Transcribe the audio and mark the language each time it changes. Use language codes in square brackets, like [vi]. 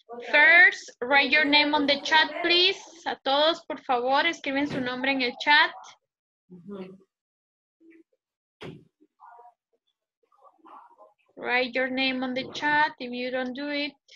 [en] First, write your name on the chat, please. [es] A todos, por favor, escriben su nombre en el chat. [en] Write your name on the chat if you don't do it.